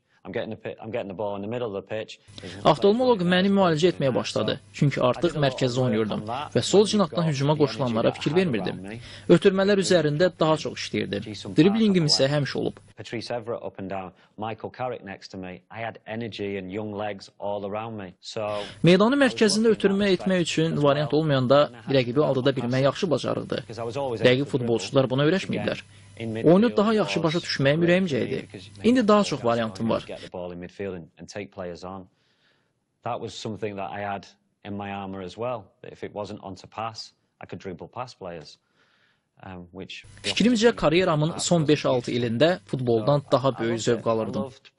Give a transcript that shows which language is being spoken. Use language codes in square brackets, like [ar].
[az] Avtomoloq məni müalicə etməyə başladı, çünki artıq mərkəzi oynuyordum və sol cinahdan hücuma qoşulanlara fikir vermirdim. Ötürmələr üzərində daha çox işləyirdim. Dribblingim isə həmiş olub. [en] Patrice Everett up and down, Michael Carrick next to me. I had energy and young legs all around me. So [az] meydanın mərkəzində ötürmə etmək üçün variant olmayanda rəqibi aldada bilmək yaxşı bacarıqdı. Rəqib futbolçular buna öyrəşməyiblər. Oyunu daha yaxşı başa düşməyim ürəyimcə idi. İndi daha çox variantım var. [en] That was something that I had in my armor as well. If it wasn't on to pass, I could dribble past players. [az] Fikrimcə, kariyeramın son 5-6 ilində futboldan daha böyük zövq alırdım.